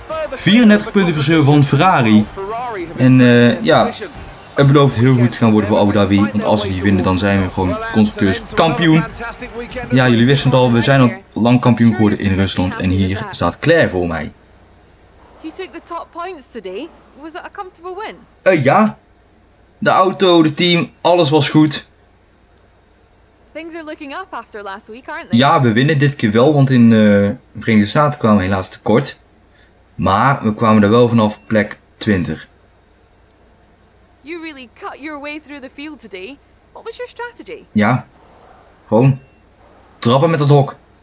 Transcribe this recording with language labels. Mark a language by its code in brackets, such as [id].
[nl] 34 punten verschil van Ferrari. En het belooft heel goed te gaan worden voor Abu Dhabi. Want als we die winnen, dan zijn we gewoon constructeurskampioen. Ja, jullie wisten het al. We zijn al lang kampioen geworden in Rusland. En hier staat Claire voor mij. [en] You took the top points today. Was it a comfortable win? [nl] Ja. De auto, de team, alles was goed. [en] Things are looking up after last week, aren't they? [nl] Ja, we winnen dit keer wel, want in de Verenigde Staten kwamen we helaas tekort. Maar we kwamen er wel vanaf plek 20. [en] You really cut your way through the field today. What was your strategy? [nl] Ja, gewoon trappen met dat hok.